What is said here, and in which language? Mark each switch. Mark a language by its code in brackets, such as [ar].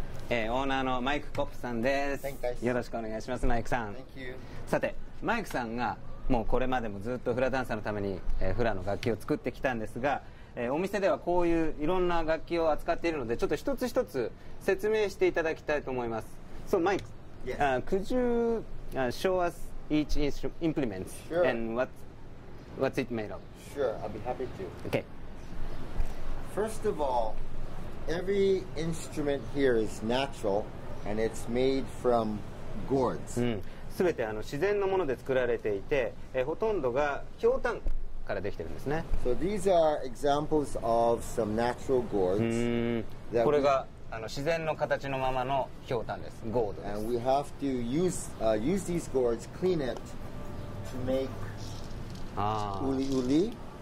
[ja] オーナーのマイク・コップさんです。よろしくお願いします。マイクさん、さてマイクさんがもうこれまでもずっとフラダンサーのために、フラの楽器を作ってきたんですが、お店ではこういういろんな楽器を扱っているので、ちょっと一つ一つ説明していただきたいと思います。 [en] So Mike, could you show us each implement and what's it made of? Sure, I'll be happy to. Okay. First of allEvery instrument here is natural and it's made from gourds. [ja] すべて自然のもので作られていて、ほとんどがひょうたんからできてるんですね。 [en] So these are examples of some natural gourds. [ja] これが自然の形のままのひょうたんです。ゴールドです。 [en] And we have to use these gourds, clean it to make uli.